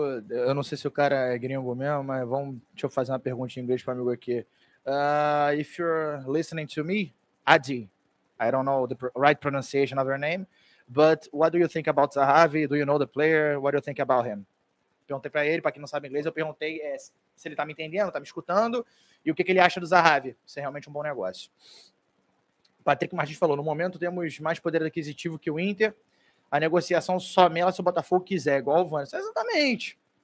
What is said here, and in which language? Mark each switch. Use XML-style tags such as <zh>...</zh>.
<pt>Eu não sei se o cara é gringo mesmo, mas vamos, deixa eu fazer uma pergunta em inglês para o amigo aqui.</pt> <en>If you're listening to me, Adi, I don't know the right pronunciation of your name, but what do you think about Zahavi? Do you know the player? What do you think about him?</en> <pt>Perguntei para ele, para quem não sabe inglês, eu perguntei se ele tá me entendendo, tá me escutando, e o que ele acha do Zahavi, se é realmente um bom negócio. Patrick Martins falou, no momento temos mais poder aquisitivo que o Inter, a negociação só mela se o Botafogo quiser, igual o Vanessa. Exatamente.</pt>